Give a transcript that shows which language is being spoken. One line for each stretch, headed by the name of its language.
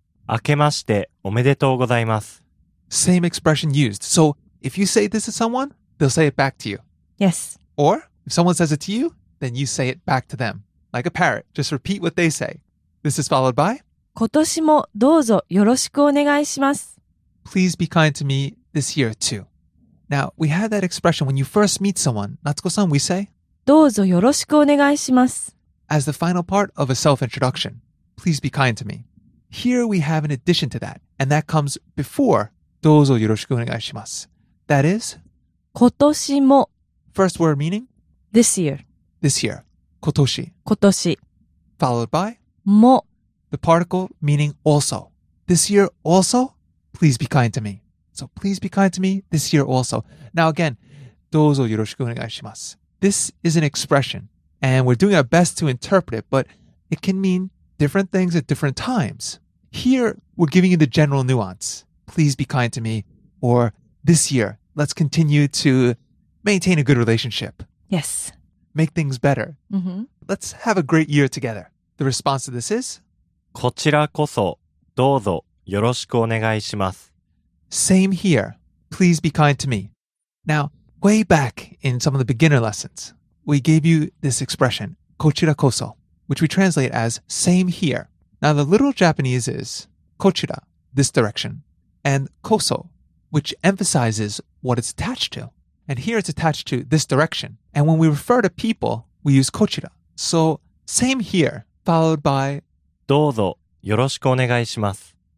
Japanese: 明けましておめでとうございます。
English: Same expression used. So if you say this to someone, they'll say it back to you. Yes. Or if someone says it to you, then you say it back to them. Like a parrot. Just repeat what they say. This is followed by...
Japanese: 今年もどうぞよろしくお願いします。
English: Please be kind to me this year too. Now, we had that expression when you first meet someone. Natsuko-san, we say,
Japanese: どうぞよろしくお願いします。
English: as the final part of a self-introduction. Please be kind to me. Here we have an addition to that, and that comes before
Japanese: dozo yoroshiku onegai shimasu.
English: That is,
Japanese: 今年も.
English: First word meaning? This year. This year. 今年.Followed by?
Japanese: も.
English: The particle meaning also. This year also? Please be kind to me. So please be kind to me this year also. Now again,
Japanese: dozo yoroshiku onegai shimasu.
English: This is an expression, and we're doing our best to interpret it, but it can mean different things at different times. Here, we're giving you the general nuance. Please be kind to me, or this year, let's continue to maintain a good relationship. Yes. Make things better. Mm-hmm. Let's have a great year together. The response to this is?
Japanese: こちらこそどうぞよろしくお願いします。
English: Same here. Please be kind to me. Now, way back in some of the beginner lessons, we gave you this expression, こちらこそ, which we translate as same here. Now, the literal Japanese is こちら, this direction, and こそ, which emphasizes what it's attached to. And here it's attached to this direction. And when we refer to people, we use こちら. So, same here, followed by
Japanese: どうぞよろしくお願いします.